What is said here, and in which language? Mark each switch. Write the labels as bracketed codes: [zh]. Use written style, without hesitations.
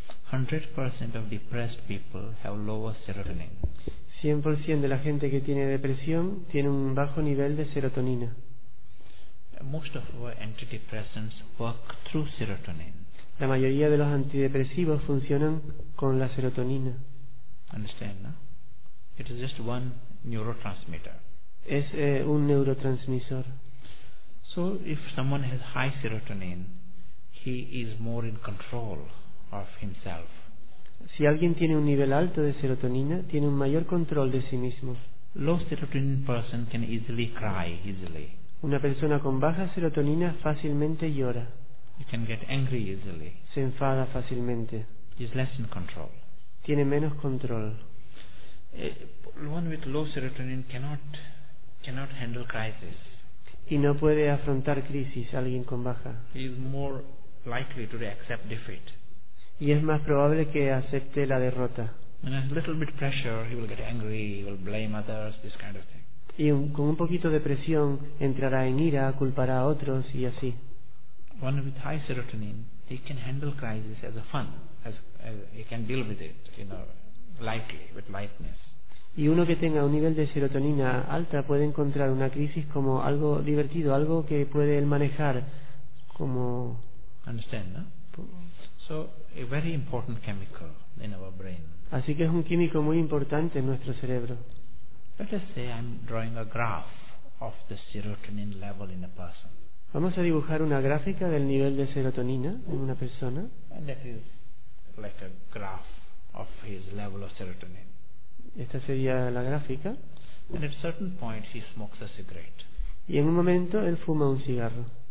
[en] 100% of depressed people have lower serotonin. [es] 100% de la gente que tiene depresión tiene un bajo nivel de serotonina. [en] Most of our antidepressants work through serotonin. [es] La mayoría de los antidepresivos funcionan con la serotonina. [en] Understand, no? It is just one neurotransmitter. [es] Es un neurotransmisor. [en] So if someone has high serotonin, he is more in control of himself. [es] Si alguien tiene un nivel alto de serotonina, tiene un mayor control de sí mismo. [en] Low serotonin person can easily cry easily. [es] Una persona con baja serotonina fácilmente llora. [en] He can get angry easily. [es] Se enfada fácilmente. [en] He is less in control. [es] Tiene menos control. [en] One with low serotonin cannot handle crisis. [es] Y no puede afrontar crisis alguien con baja. [en] He is more likely to accept defeat. [es] Y es más probable que acepte la derrota. [en] And a little bit pressure, he will get angry, he will blame others, this kind of thing. [es] Y con un poquito de presión entrará en ira, culpará a otros y así. [en] One with high serotonin, he can handle crisis as a fun, as he can deal with it, you know, lightly, with lightness. [es] Y uno que tenga un nivel de serotonina alta puede encontrar una crisis como algo divertido, algo que puede él manejar como. [en] Understand, no? So a very important chemical in our brain. [es] Así que es un químico muy importante en nuestro cerebro. [en] Let us say I'm drawing a graph of the serotonin level in a person. [es] Vamos a dibujar una gráfica del nivel de serotonina en una persona. [en] And that is like a graph of his level of serotonin. [es] Esta sería la gráfica. [en] And at a certain point he smokes a cigarette. [es] Y en un momento él fuma un cigarro.